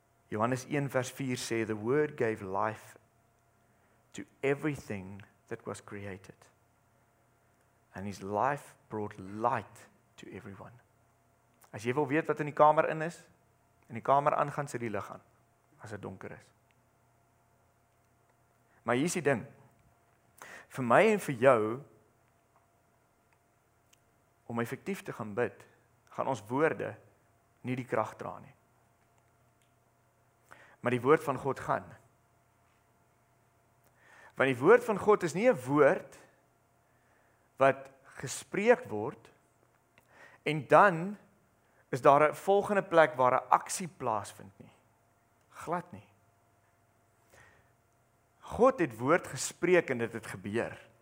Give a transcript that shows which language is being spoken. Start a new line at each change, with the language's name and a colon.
Afrikaans: Johannes 1 vers 4 sê,
English: the word gave life to everything that was created. And his life brought light to everyone.
Afrikaans: As jy wil weet wat in die kamer in is, in die kamer aangaan, sit die lig aan, as het donker is. Maar hier is die ding, vir my en vir jou, om effektief te gaan bid, gaan ons woorde nie die krag dra nie. Maar die woord van God gaan. Want die woord van God is nie 'n woord wat gespreek word, en dan is daar 'n volgende plek waar 'n aksie plaasvind nie. Glad nie. God het woord gespreek en dit het gebeur.